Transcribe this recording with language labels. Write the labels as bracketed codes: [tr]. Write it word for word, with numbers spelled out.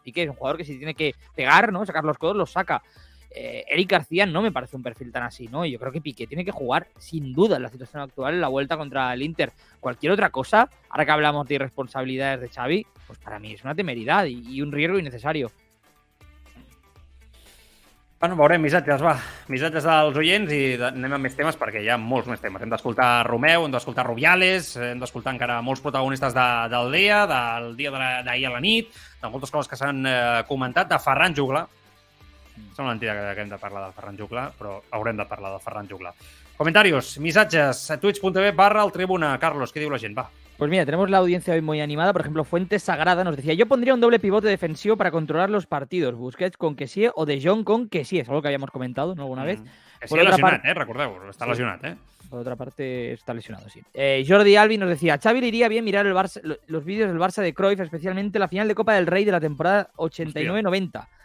[es] Piqué es un jugador que si tiene que pegar, ¿no? Sacar los codos, los saca. Eh, Eric García no me parece un perfil tan así, ¿no? Yo creo que Piqué tiene que jugar sin duda en la situación actual en la vuelta contra el Inter. Cualquier otra cosa, ahora que hablamos de irresponsabilidades de Xavi, pues para mí es una temeridad y, y un riesgo innecesario. [ca] Bueno, veurem missatges, va. Missatges dels oients i anem a més temes perquè hi ha molts més temes. Hem d'escoltar Romeu, hem d'escoltar Rubiales, hem d'escoltar encara molts protagonistes de, del dia, del dia d'ahir a la nit, de moltes coses que s'han eh, comentat, de Ferran Jugla. Sembla mentida que, que hem de parlar del Ferran Jugla, però haurem de parlar del Ferran Jugla. Comentarios, missatges a twitch.tv barra el tribuna. Carlos, què diu la gent? Va. [es] Pues mira, tenemos la audiencia hoy muy animada. Por ejemplo, Fuentes Sagrada nos decía: yo pondría un doble pivote defensivo para controlar los partidos. Busquets con Kessie o De Jong con Kessie. Es algo que habíamos comentado, ¿no? Alguna mm. vez. [ca] Kessie lesionat, part... eh? Recordeu, està sí. lesionat, eh? [es] Por otra parte, está lesionado, sí. Eh, Jordi Albi nos decía: Xavi le iría bien mirar el Barça, los vídeos del Barça de Cruyff, especialmente la final de Copa del Rey de la temporada ochenta y nueve noventa.